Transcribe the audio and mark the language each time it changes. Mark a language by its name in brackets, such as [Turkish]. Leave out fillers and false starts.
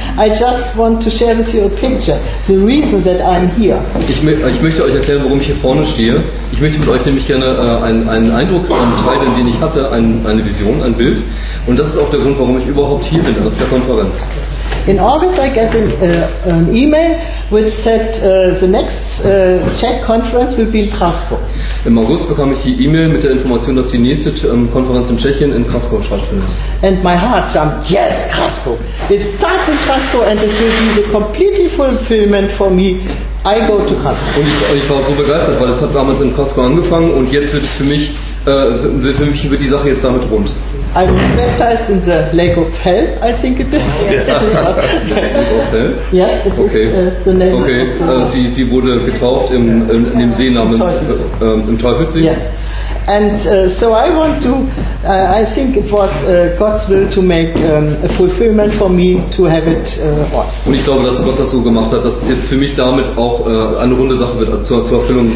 [English] I just want to share with you a picture. The reason that I'm here. [German] Ich möchte euch erklären, warum ich hier vorne stehe. Ich möchte mit euch nämlich gerne einen Eindruck teilen, den ich hatte, eine Vision, ein Bild. Und das ist auch der Grund, warum ich überhaupt hier bin auf der Konferenz. [English] In August I get an email which said the next Czech conference will be in Krasco. [German] Im August bekam ich die E-Mail mit der Information, dass die nächste Konferenz in Tschechien in Krasco stattfindet. [English] And my heart jumped, yes, Krasco. It starts in Krasco and it will be the completely fulfillment for me. I go to Krasco. [German] Und ich war so begeistert, weil es hat damals in Krasco angefangen und jetzt wird es für mich wird die Sache jetzt damit rund. [English] I was baptized in the Lake of Hell, I think it is. Lake of Hell? Yes, it okay. is the name okay. of the... [German] Sie wurde getauft in dem See namens im Teufelssee. [English] Yes. And so I want to, I think it was God's will to make a fulfillment for me to have it on. [German] Und ich glaube, dass Gott das so gemacht hat, dass es jetzt für mich damit auch eine runde Sache wird, zur Erfüllung.